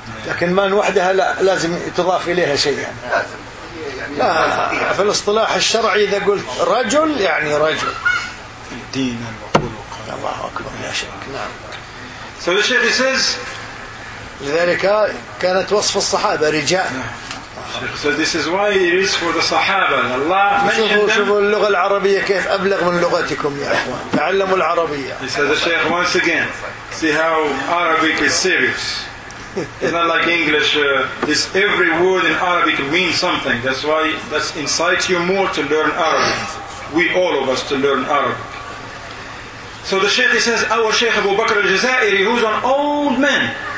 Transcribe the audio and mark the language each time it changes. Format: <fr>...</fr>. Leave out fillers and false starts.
<ar>لكن مان وحدها لا لازم تضاف إليها شيء يعني. لازم. لا في الاصطلاح الشرعي إذا قلت رجل يعني رجل. دينا وخلقا. الله أكبر يا شيخ. نعم.</ar> <en>So the Shaykh says,</en> <ar>لذلك كانت وصف الصحابة رجال.</ar> <en>So this is why it is for the Sahaba. Allah mentioned them.</en> <ar>شوفوا اللغة العربية كيف أبلغ من لغتكم يا إخوان. تعلموا العربية.</ar> <en>He says the Shaykh once again, see how Arabic is serious. It's not like English. This every word in Arabic means something. That's why that incites you more to learn Arabic. We all of us to learn Arabic. So the Shaykh says, our Shaykh Abu Bakr al-Jazairi, who's an old man.</en>